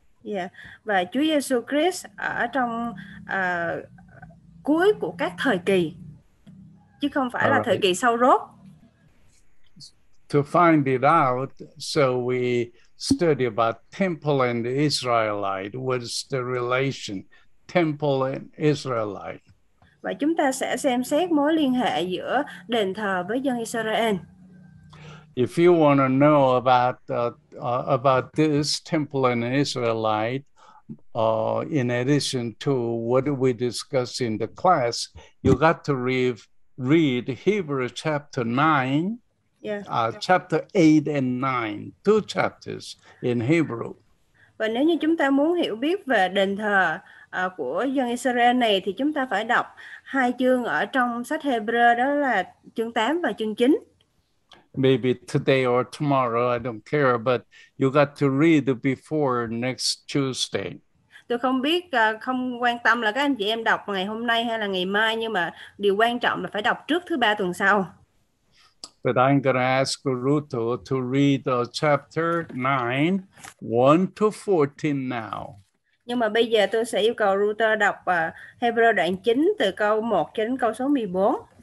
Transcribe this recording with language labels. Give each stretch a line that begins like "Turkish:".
Vietnamese: Yeah, và Chúa Giê-xu Christ ở trong cuối của các thời kỳ, chứ không phải là thời kỳ sau rốt.
English: To find it out, so we study about temple and the Israelite, what's the relation? Temple and Israelite.
Vietnamese: Và chúng ta sẽ xem xét mối liên hệ giữa đền thờ với dân Israel.
English: If you want to know about this temple and Israelite, in addition to what we discuss in the class, you got to read Hebrews chapter 9, yeah. Chapter 8 and 9, two chapters in Hebrew.
Vietnamese: Và nếu như chúng ta muốn hiểu biết về đền thờ của dân Israel này thì chúng ta phải đọc hai chương ở trong sách Hebrew, đó là chương 8 và chương 9.
English: Maybe today or tomorrow, I don't care, but you got to read before next Tuesday.
Vietnamese: Tôi không biết, không quan tâm là các anh chị em đọc ngày hôm nay hay là ngày mai, nhưng mà điều quan trọng là phải đọc trước thứ ba tuần sau.
English: But I'm going to ask Ruto to read chapter 9, 1 to 14 now.
Vietnamese: Nhưng mà bây giờ tôi sẽ yêu cầu Ruto đọc Hebrew đoạn 9 từ câu 1 đến câu số 14.